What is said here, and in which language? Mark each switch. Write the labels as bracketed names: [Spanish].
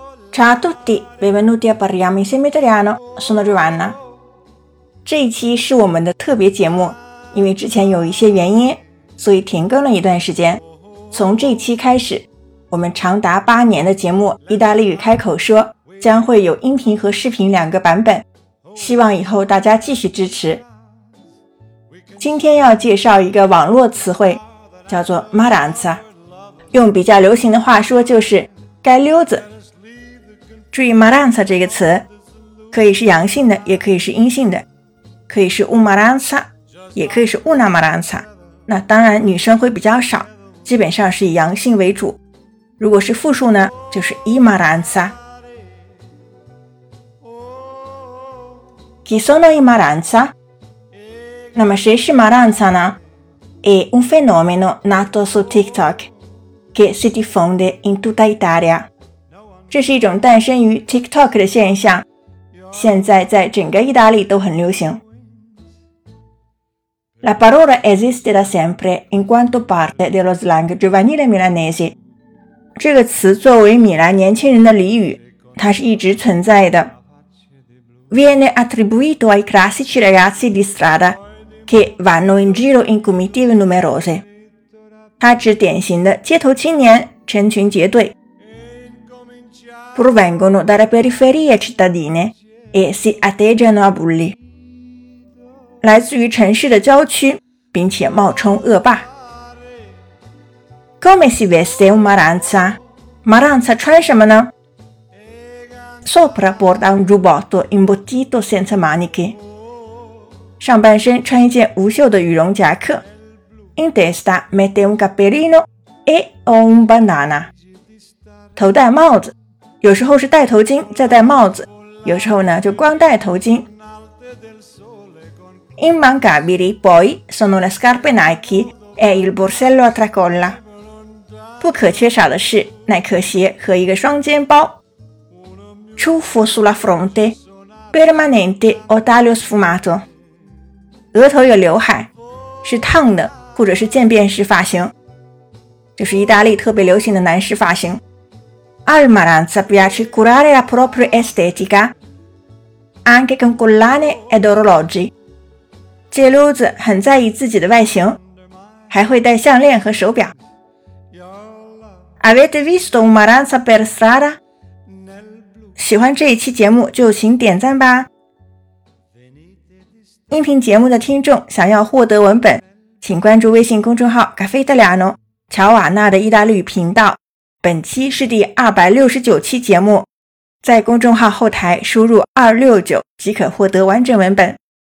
[Italian] Ciao a tutti, benvenuti a Parliamo Insieme Italiano, sono Giovanna. [Chinese] 这一期是我们的特别节目，因为之前有一些原因，所以停更了一段时间。从这期开始，我们长达八年的节目《意大利语开口说》将会有音频和视频两个版本，希望以后大家继续支持。今天要介绍一个网络词汇，叫做 Maranza， 用比较流行的话说就是街溜子。注意 Maranza 这个词，可以是阳性的，也可以是阴性的，可以是 una Maranza， 也可以是 una Maranza。那当然女生会比较少，基本上是以阳性为主，如果是复数呢，就是 i Maranza。 [Italian] Chi sono i Maranza？ [Chinese] 那么谁是 Maranza 呢？ [Italian] È un fenomeno nato su TikTok che si diffonde in tutta Italia。 [Chinese] 这是一种诞生于 TikTok 的现象，现在在整个意大利都很流行。 [Italian] La parola esiste da sempre in quanto parte dello slang giovanile milanese。 [Chinese] 这个词作为米兰年轻人的俚语，它是一直存在的。 [Italian] Viene attribuito ai classici ragazzi di stradache vanno in giro in comitive numerose， [Chinese] 它指典型的街头青年成群结队。 [Italian] provengono dalle periferie cittadine e si atteggiano a bulli， [Chinese] 来自于城市的郊区并且冒充恶霸。 [Italian] come si veste un Maranza？ [Chinese] Maranza 穿什么呢？ [Italian] sopra porta un giubbotto imbottito senza maniche， [Chinese] 上半身穿一件无袖的羽绒夹克。 [Italian] In testa mette un cappellino e un banana， [Chinese] 头戴帽子，有时候是戴头巾再戴帽子，有时候呢就光戴头巾。 [Italian] Immancabili poi sono le scarpe Nike e il borsello a tracolla， [Chinese] 不可缺少的是耐克鞋和一个双肩包。 [Italian] Ciuffo sulla fronte permanente o taglio sfumato， [Chinese] 额头有刘海，是烫的或者是渐变式发型，就是意大利特别流行的男士发型。 [Italian] Al Maranza piace curare la propria estetica anche con collane ed orologi， [Chinese] 街溜子很在意自己的外形，还会戴项链和手表。 [Italian] Avete visto un Maranza per strada？ [Chinese] 喜欢这一期节目就请点赞吧。音频节目的听众想要获得文本，请关注微信公众号 Caffè Italiano 乔瓦纳的意大利语频道。本期是第269期节目，在公众号后台输入269即可获得完整文本。